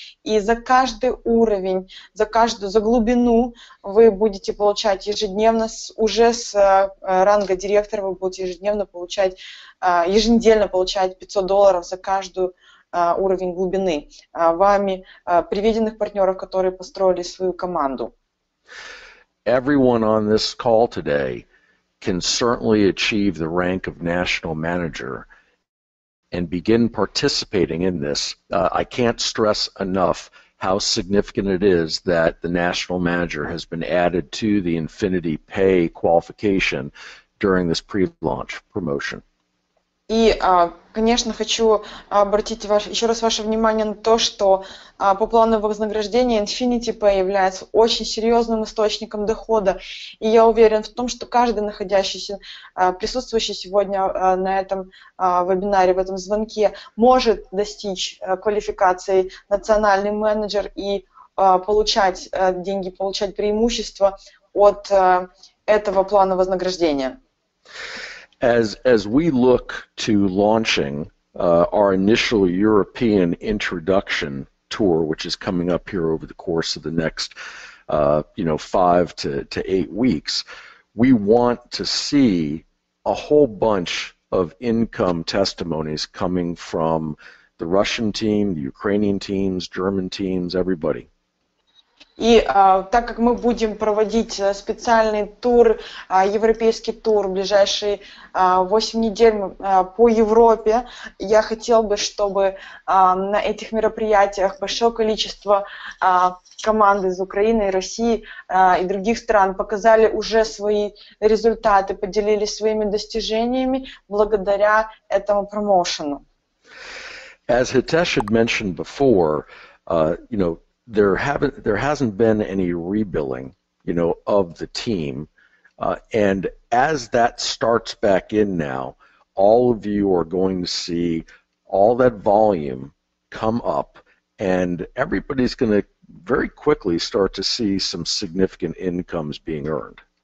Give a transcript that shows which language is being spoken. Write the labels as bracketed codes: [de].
[ru] И за каждый уровень, за глубину вы будете получать ежедневно, уже с ранга директора вы будете еженедельно получать $500 за каждую уровень глубины вами приведенных партнеров, которые построили свою команду. [en] Everyone on this call today can certainly achieve the rank of national manager and begin participating in this. I can't stress enough how significant it is that the national manager has been added to the Infinity Pay qualification during this pre-launch promotion. [ru] И, конечно, хочу обратить еще раз ваше внимание на то, что по плану вознаграждения Infinity Pay является очень серьезным источником дохода. И я уверен в том, что каждый находящийся, присутствующий сегодня на этом вебинаре, в этом звонке, может достичь квалификации национальный менеджер и получать деньги, получать преимущества от этого плана вознаграждения. [en] As we look to launching our initial European introduction tour, which is coming up here over the course of the next 5 to 8 weeks, we want to see a whole bunch of income testimonies coming from the Russian team, the Ukrainian teams, German teams, everybody. [ru] И так как мы будем проводить специальный тур, европейский тур, ближайшие 8 недель по Европе, я хотел бы, чтобы на этих мероприятиях большое количество команд из Украины, России и других стран показали уже свои результаты, поделились своими достижениями благодаря этому промоушену. [en] As Hitesh had mentioned before, There hasn't been any rebuilding, of the team. And as that starts back in now, all of you are going to see all that volume come up, and everybody's going to very quickly start to see some significant incomes being earned.